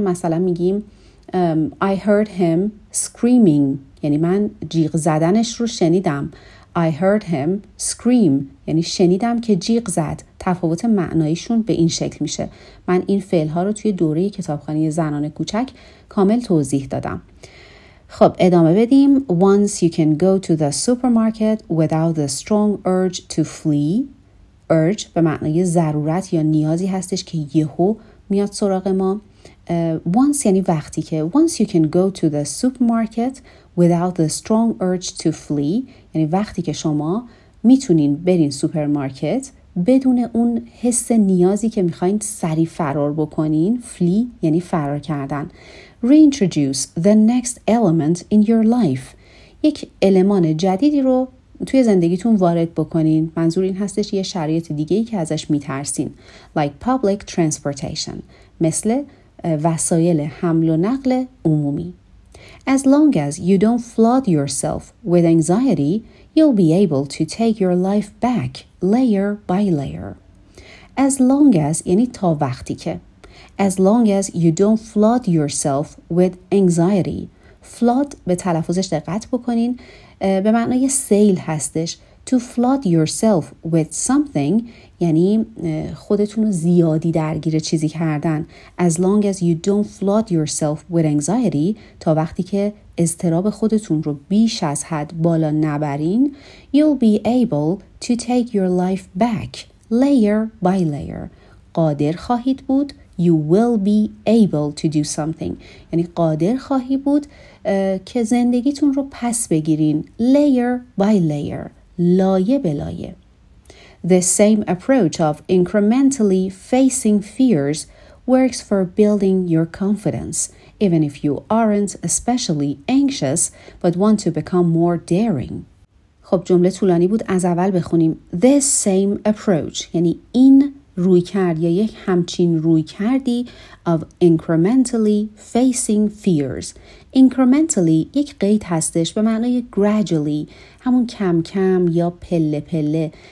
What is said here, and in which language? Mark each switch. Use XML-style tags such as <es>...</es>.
<fa>مثلا میگیم</fa> <en>I heard him screaming</en> <fa>یعنی من جیغ زدنش رو شنیدم.</fa> <en>I heard him scream</en> <fa>یعنی شنیدم که جیغ زد. تفاوت معناییشون به این شکل میشه. من این فعلها رو توی دوره کتابخانه زنان کوچک کامل توضیح دادم. خب ادامه بدیم.</fa> <en>Once you can go to the supermarket without the strong urge to flee.</en> <fa>Urge به معنی ضرورت یا نیازی هستش که یهو میاد سراغ ما. Once یعنی وقتی که.</fa> <en>Once you can go to the supermarket without the strong urge to flee</en> <fa>یعنی وقتی که شما میتونین برین سوپرمارکت بدون اون حس نیازی که میخواین سریع فرار بکنین. فلی یعنی فرار کردن.</fa> <en>Reintroduce the next element in your life</en> <fa>یک المان جدیدی رو توی زندگیتون وارد بکنین. منظور این هستش یه شرایط دیگه‌ای که ازش میترسین.</fa> <en>Like public transportation</en> <fa>مثل وسایل حمل و نقل عمومی.</fa> <en>As long as you don't flood yourself with anxiety, you'll be able to take your life back layer by layer.</en> <fa>As long as یعنی تا وقتی که.</fa> <en>As long as you don't flood yourself with anxiety.</en> <fa>Flood به تلفظش دقت بکنین، به معنای سیل هستش.</fa> <en>To flood yourself with something</en> <fa>یعنی خودتون رو زیادی درگیر چیزی کردن.</fa> <en>As long as you don't flood yourself with anxiety</en> <fa>تا وقتی که اضطراب خودتون رو بیش از حد بالا نبرین.</fa> <en>You'll be able to take your life back layer by layer</en> <fa>قادر خواهید بود.</fa> <en>You will be able to do something</en> <fa>یعنی قادر خواهی بود که زندگیتون رو پس بگیرین. Layer by layer لایه به لایه.</fa> <en>The same approach of incrementally facing fears works for building your confidence, even if you aren't especially anxious but want to become more daring.</en> <fa>خب جمله طولانی بود، از اول بخونیم.</fa> <en>The same approach</en> <fa>یعنی این روی کرد یا یک همچین روی کردی</fa> <en>of incrementally facing fears.</en> <fa>Incrementally یک قید هستش به معنای gradually همون کم کم یا پله پله.</fa>